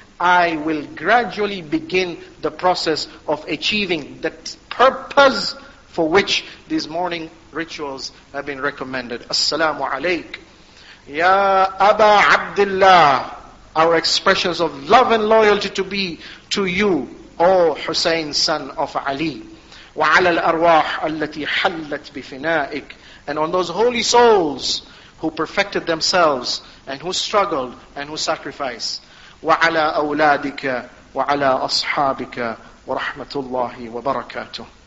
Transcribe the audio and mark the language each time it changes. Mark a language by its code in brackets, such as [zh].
[en] I will gradually begin the process of achieving the purpose for which these mourning rituals have been recommended. Assalamu alaik. Ya Aba Abdullah. our expressions of love and loyalty to be to you, O Hussein, son of Ali. [ar] وعلى الأرواح التي حلت بفنائك. [en] And on those holy souls who perfected themselves and who struggled and who sacrificed. [ar] وعلى أولادك وعلى أصحابك ورحمة الله وبركاته.